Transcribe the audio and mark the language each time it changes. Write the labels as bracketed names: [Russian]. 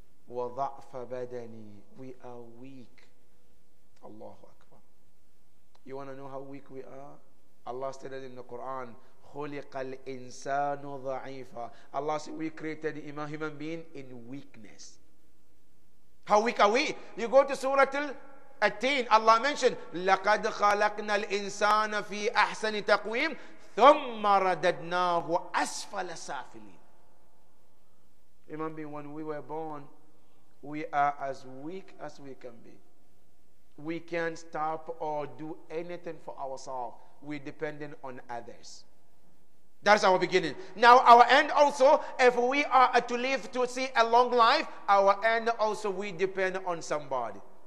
[Arabic] Wada'afa Badani, [English] we are weak. Allahu Akbar. You want to know how weak we are? Allah stated in the Quran, [Arabic] خُلِقَ الْإِنسَانُ ضَعِيفًا. [English] Allah said, we created a human being in weakness. How weak are we? You go to Surah Al-Teen, Allah mentioned, [Arabic] لَقَدْ خَلَقْنَا الْإِنسَانَ فِي أَحْسَنِ تَقْوِيمٍ ثُمَّ رَدَدْنَاهُ أَسْفَلَ سَافِلِينَ. [English] Human being, when we were born, we are as weak as we can be. We can't stop or do anything for ourselves. We're depending on others. That's our beginning. Now our end also, if we are to live to see a long life, our end also, we depend on somebody.